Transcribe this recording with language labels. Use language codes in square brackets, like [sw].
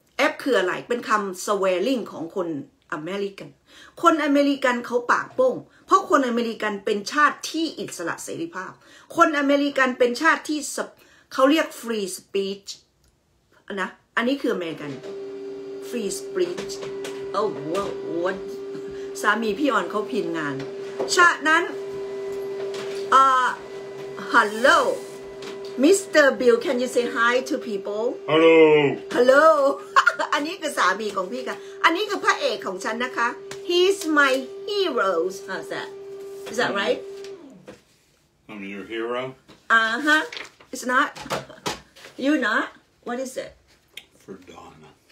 [th] F คืออะไรเป็นคำ swearing ของคนอเมริกันคนอเมริกันเขาปากโป้งเพราะคนอเมริกันเป็นชาติที่อิสระเสรีภาพคนอเมริกันเป็นชาติที่เขาเรียก free speech นะอันนี้คืออเมริกัน free speech [en] oh what [th] สามีพี่อ่อนเขาพินงานฉะนั้น [en] hello Mr. Bill can you say hi to people hello [th] อันนี้คือสามีของพี่ค่ะอันนี้คือพระเอกของฉันนะคะ [en] He's my hero. How's that? Is that right? I'm your hero? Uh-huh. It's not. You not? What is it? For Donna.